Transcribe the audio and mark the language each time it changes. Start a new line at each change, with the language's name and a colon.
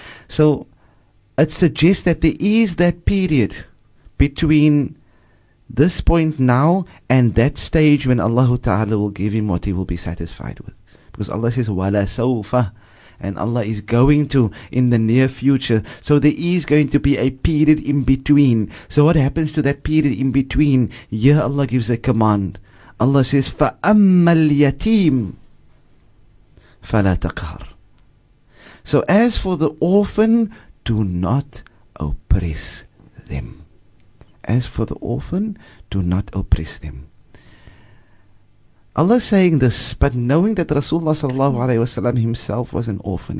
English: So it suggests that there is that period between this point now and that stage when Allah Ta'ala will give him what he will be satisfied with. Because Allah says,
Arabic: وَلَا سَوْفَ,
English: and Allah is going to in the near future. So there is going to be a period in between. So what happens to that period in between? Here Allah gives a command. Allah says,
Arabic: فَأَمَّا الْيَتِيمِ فَلَا تَقْهَرْ.
English: So as for the orphan, do not oppress them. As for the orphan, do not oppress them. Allah is saying this, but knowing that Rasulullah sallallahu alayhi wa sallam himself was an orphan.